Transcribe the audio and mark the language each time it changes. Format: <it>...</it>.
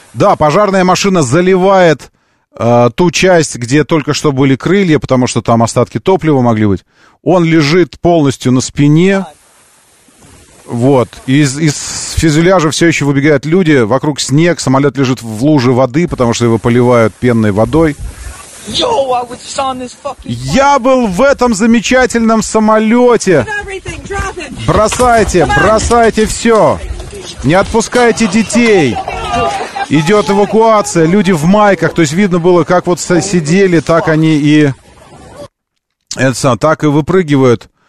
<ru>Да, пожарная машина заливает ту часть, где только что были крылья, потому что там остатки топлива могли быть. Он лежит полностью на спине. Вот. Из фюзеляжа все еще выбегают люди. Вокруг снег. Самолет лежит в луже воды, потому что его поливают пенной водой.</ru> <en>Yo, I was just on this fucking plane.</en> <ru>Я был в этом замечательном самолете. Бросайте, бросайте все. Не отпускайте детей. Идет эвакуация. Люди в майках. То есть видно было, как вот сидели, так они и... Это, так и выпрыгивают.</ru>